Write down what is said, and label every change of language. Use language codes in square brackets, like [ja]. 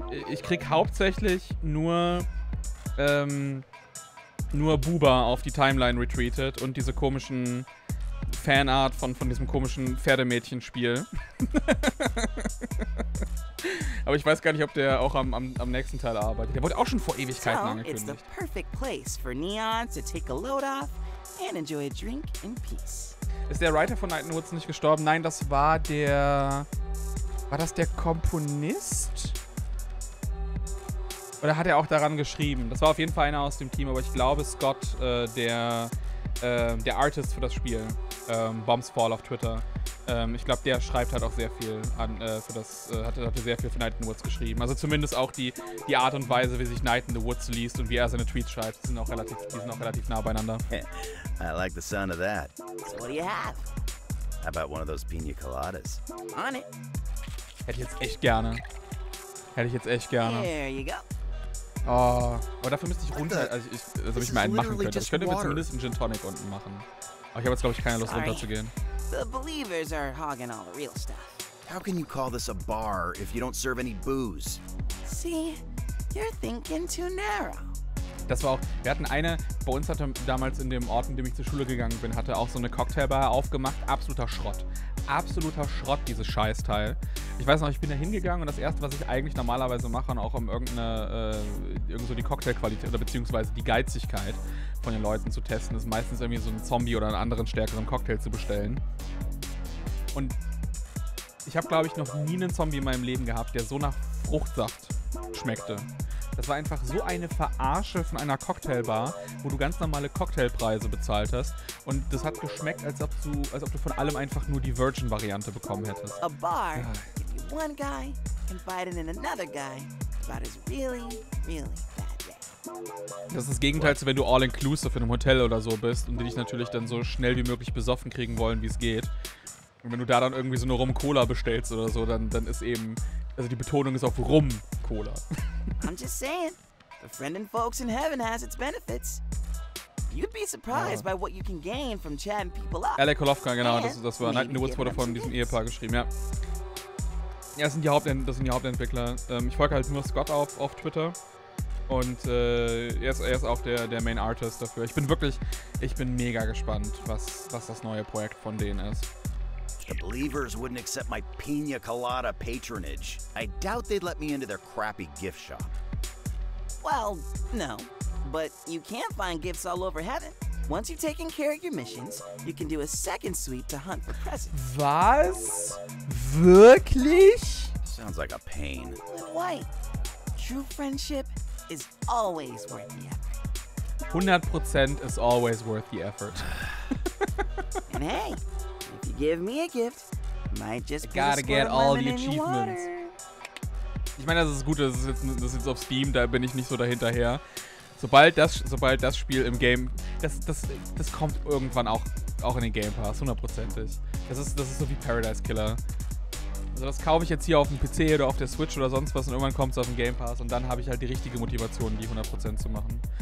[de] Ich krieg hauptsächlich nur Buba auf die Timeline retweetet und diese komischen Fanart von diesem komischen Pferdemädchen-Spiel. Aber ich weiß gar nicht, ob der auch am nächsten Teil arbeitet. Der wurde auch schon vor Ewigkeiten angekündigt. [en] It's the perfect place for Neon to take a load off and enjoy a drink in peace. [de] Ist der Writer von Night in the Woods nicht gestorben? Nein, das war der... War das der Komponist? Oder hat er auch daran geschrieben? Das war auf jeden Fall einer aus dem Team, aber ich glaube Scott, der Artist für das Spiel, Bombs Fall auf Twitter. Ich glaube, der schreibt halt auch sehr viel hatte sehr viel für Night in the Woods geschrieben. Also zumindest auch die Art und Weise, wie sich Night in the Woods liest und wie er seine Tweets schreibt, sind auch relativ nah beieinander. [en] I like the sound of that. So what do you have? How about one of those piña coladas? On it. [de] Hätte ich jetzt echt gerne. [en] There you go. [de] Oh, aber dafür müsste ich runter. Also ich mir einen machen könnte. Ich könnte mir zumindest einen Gin Tonic unten machen. Aber ich habe jetzt, glaube ich, keine Lust, runterzugehen. [en] The believers are hogging all the real stuff. How can you call this a bar if you don't serve any booze? See, you're thinking too narrow. [de] Das war auch. Wir hatten eine. Bei uns hatte damals in dem Ort, in dem ich zur Schule gegangen bin, hatte auch so eine Cocktailbar aufgemacht. Absoluter Schrott, dieses Scheißteil. Ich weiß noch, ich bin da hingegangen und das Erste, was ich eigentlich normalerweise mache, und auch um irgendeine die Cocktailqualität oder beziehungsweise die Geizigkeit von den Leuten zu testen, ist meistens irgendwie so einen Zombie oder einen anderen stärkeren Cocktail zu bestellen. Und ich habe, glaube ich, noch nie einen Zombie in meinem Leben gehabt, der so nach Fruchtsaft schmeckte. Das war einfach so eine Verarsche von einer Cocktailbar, wo du ganz normale Cocktailpreise bezahlt hast. Und das hat geschmeckt, als ob du von allem einfach nur die Virgin-Variante bekommen hättest. [en] A bar, if you one guy confiding in another guy about his really, really bad day. [de] Das ist das Gegenteil zu, wenn du all-inclusive in einem Hotel oder so bist und die dich natürlich dann so schnell wie möglich besoffen kriegen wollen, wie es geht. Und wenn du da dann irgendwie so eine Rum-Cola bestellst oder so, dann ist eben... Also die Betonung ist auf Rum-Cola. [en] I'm just saying, befriending folks in heaven has its benefits. You'd be surprised by what you can gain from chatting people up. [de] Alec Kolofka, genau, das war Night in the Woods, wurde von diesem Ehepaar geschrieben, ja. Ja, das sind die Hauptentwickler. Ich folge halt nur Scott auf Twitter. Und er ist auch der Main Artist dafür. Ich bin mega gespannt, was das neue Projekt von denen ist. [en] The Believers wouldn't accept my Pina Colada patronage. I doubt they'd let me into their crappy gift shop. Well, no. But you can find gifts all over heaven. Once you've taken care of your missions, you can do a second sweep to hunt for presents. [de] Was? Wirklich? [en] Sounds like a pain. Little White, true friendship is always worth the effort. 100% is always worth the effort. And hey, if you give me a gift, might just I gotta get all the achievements. [de] Ich meine, das ist gut, das ist jetzt auf Steam, da bin ich nicht so dahinterher. Sobald das Spiel im Game, das kommt irgendwann auch in den Game Pass, 100%ig. Das ist so wie Paradise Killer. Also das kaufe ich jetzt hier auf dem PC oder auf der Switch oder sonst was und irgendwann kommt es auf den Game Pass und dann habe ich halt die richtige Motivation, die 100% zu machen.